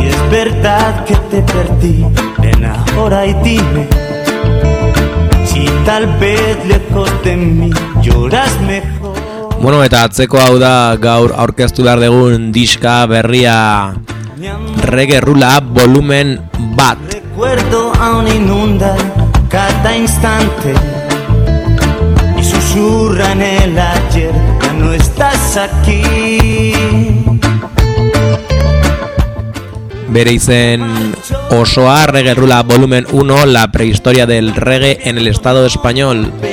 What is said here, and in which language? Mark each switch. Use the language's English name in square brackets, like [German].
[Spanish] verdad que te perdí, ven ahora y dime. Si tal vez lejos de mí lloras mejor. [Basque] Bueno, eta atzeko hau da gaur aurkeztu behar dugun diska berria, Reggae Rula volumen bat. [Spanish] Recuerdo aún inunda cada instante y susurra en el ayer, ya no estás aquí. [Basque] Bere izen osoa, [Spanish] Reggae Rula volumen 1, la prehistoria del reggae en el estado español.